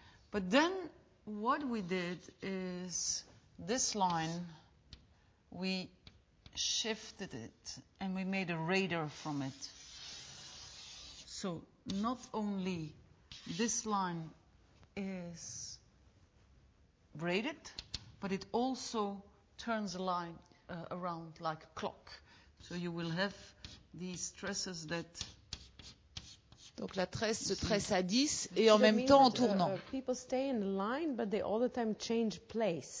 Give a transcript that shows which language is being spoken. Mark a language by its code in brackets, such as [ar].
[en] But then what we did is this line, we shifted it and we made a radar from it. So not only this line is braided, but it also turns a line around like a clock. So you will have these tresses that... [fr] Donc la tresse se tresse à 10 et en même temps en tournant. [en] People stay in the line, but they all the time change place.